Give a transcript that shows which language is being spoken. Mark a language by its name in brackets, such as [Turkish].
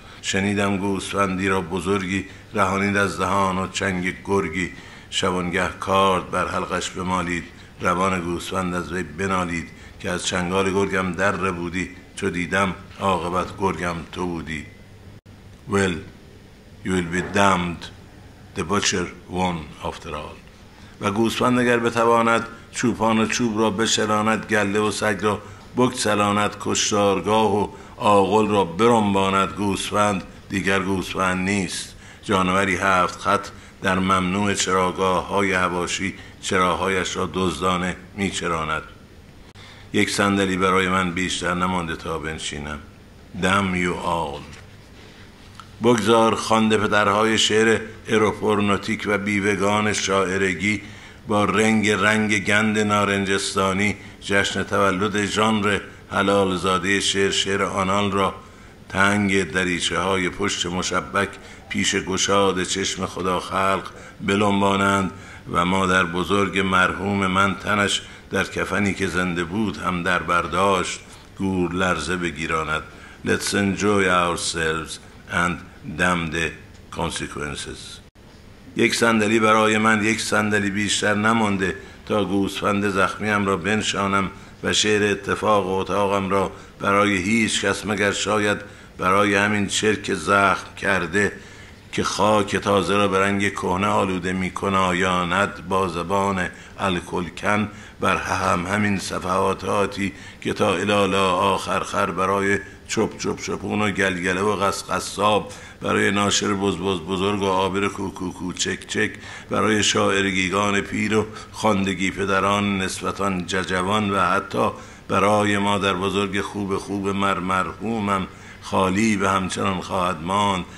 [Persian] شنیدم گوسفندی را بزرگی رهانید از دهان و چنگ گرگی، شبانگه کارد بر حلقش بمالید، روان گوسفند از وی بنالید، که از چنگال گرگم در ربودی، چو دیدم عاقبت گرگم تو بودی. [English] Well, you will be damned, the butcher won after all. [Persian] و گوسفند اگر بتواند چوپان و چوب را بشراند، گله و سگ را بکسلاند، کشتارگاه و آغل را برنباند، گوسفند دیگر گوسفند نیست، جانوری هفت خط در ممنوع چراگاه های حواشی چراهایش را دزدانه می چراند. یک صندلی برای من بیشتر نمانده تا بنشینم. [English] Damn you all. [Persian] بگذار خوانده پدرهای شعر ایروپورنوتیک و بیوگان شاعرگی با رنگ رنگ گند نارنجستانی جشن تولد ژانر حلال زاده شعر، شعر آنال را تنگ دریچه های پشت مشبک پیش گشاد چشم خدا خلق بلنبانند و مادر بزرگ مرحوم من تنش در کفنی که زنده بود هم در برداشت گور لرزه بگیراند. [English] Let's enjoy ourselves and damn the consequences. [Persian] یک صندلی برای من، یک صندلی بیشتر نمانده تا گوسفند زخمیم را بنشانم و شعر اتفاق و اتاقم را برای هیچ کس مگر شاید برای همین چرک زخم کرده که خاک تازه را به رنگ کهنه آلوده می کنایاند با زبان الکلکن بر هم همین صفحاتاتی که تا الالا آخر خر برای چپ چپ چپون و گلگله و قصقصاب، برای ناشر بزبز بزرگ و عابر کوکوکو چک چک، برای شاعرگیگان پیر و خواندگی پدران نسبتان ججوان و حتی برای مادر بزرگ خوب خوب مرمرحومم خالی به همچنان خواهد ماند.